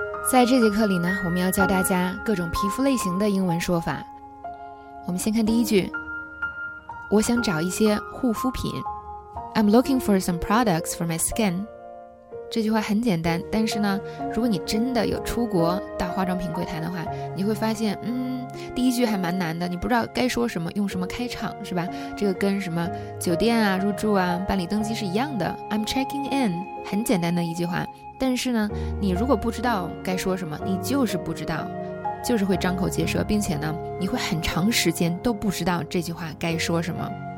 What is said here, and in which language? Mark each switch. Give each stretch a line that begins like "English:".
Chinese: 在这节课里呢，我们要教大家各种皮肤类型的英文说法。我们先看第一句，我想找一些护肤品。
English: I'm looking for some products for my skin。
Chinese: 这句话很简单，但是呢，如果你真的有出国到化妆品柜台的话，你会发现第一句还蛮难的，你不知道该说什么，用什么开场，是吧？这个跟什么酒店啊、入住啊、办理登机是一样的。
English: I'm checking in，
Chinese: 很简单的一句话，但是呢，你如果不知道该说什么，你就是不知道，就是会张口结舌，并且呢，你会很长时间都不知道这句话该说什么。